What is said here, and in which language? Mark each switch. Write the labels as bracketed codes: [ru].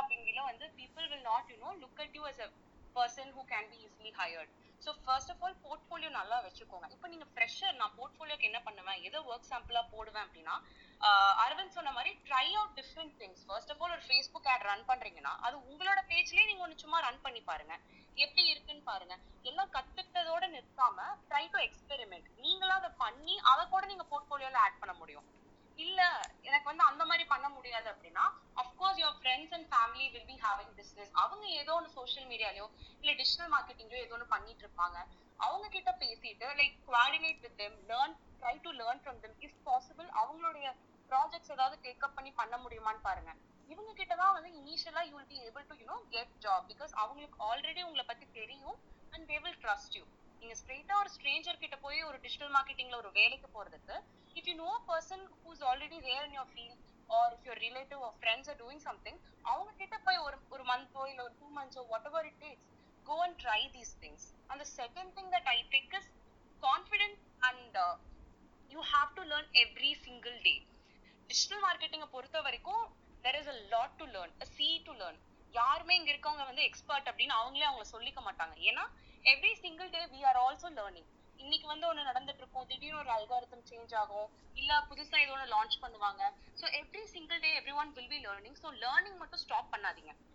[en] is a person who can be easily hired. So first of all, [ta] portfolio நல்லா வச்சுக்கோங்க. இப்போ நீங்க fresher, நான் போர்ட்ஃபோலியோக்கு என்ன பண்ணுவேன், எதை ஒர்க் சாம்பிளா போடுவேன் அப்படின்னா, அரவிந்த் சொன்ன மாதிரி [en] Try out different things. First of all [ta] ஒரு ஃபேஸ்புக் ஆட் ரன் பண்றீங்கன்னா அது உங்களோட பேஜ்லயே நீங்க ஒன்று சும்மா ரன் பண்ணி பாருங்க, எப்படி இருக்குன்னு பாருங்க. எல்லாம் கத்துக்கிட்டதோட நிற்காம ட்ரை டு எக்ஸ்பெரிமெண்ட், நீங்களா அதை பண்ணி அதை கூட நீங்க போர்ட்ஃபோலியோல ஆட் பண்ண முடியும். இல்ல எனக்கு வந்து அந்த மாதிரி பண்ண முடியாது அப்படின்னா, [en] of course your friends and family will be having business, [ta] அவங்க ஏதோ ஒன்று சோசியல் மீடியாலயோ இல்லை டிஜிட்டல் மார்க்கெட்டிங்லயோ ஏதோ ஒன்று பண்ணிட்டு இருப்பாங்க, அவங்க கிட்ட பேசிட்டு [en] Like coordinate with them, learn, try to learn from them is possible. [ta] அவங்களுடைய ப்ராஜெக்ட்ஸ் ஏதாவது டேக்அப் பண்ணி பண்ண முடியுமான்னு பாருங்க. இவங்க கிட்ட தான் வந்து இனிஷியலா [en] you will be able to you know get job, [ta] because அவங்களுக்கு ஆல்ரெடி உங்களை பத்தி தெரியும் and [en] They will trust you. [ta] நீங்க ஸ்ட்ரெயிட்டா ஒரு ஸ்ட்ரேஞ்சர் கிட்ட போய் ஒரு டிஜிட்டல் மார்க்கெட்டிங்ல ஒரு வேலைக்கு போறதுக்கு, [en] if you know a person who's already there in your field or if your relative or friends are doing something, [ta] avanga kitta poi [en] or month or illa or 2 months or whatever it takes, go and try these things. And the second thing that I think is confidence, and you have to learn every single day. Digital marketing [ta] porutha varaikku [en] there is a lot to learn, a sea to learn. [ta] யாருமே இங்க இருக்கவங்க வந்து expert அப்படின்னு அவங்களே அவங்க சொல்லிக்க மாட்டாங்க. ஏன்னா [en] Every single day we are also learning. [ta] இன்னைக்கு வந்து ஒண்ணு நடந்துட்டு இருக்கும், திடீர்னு ஒரு அல்காரிதம் சேஞ்ச் ஆகும், இல்ல புதுசா இது ஒன்று லான்ச் பண்ணுவாங்க. [en] So every single day every one will be learning. So learning மட்டும் stop பண்ணாதீங்க.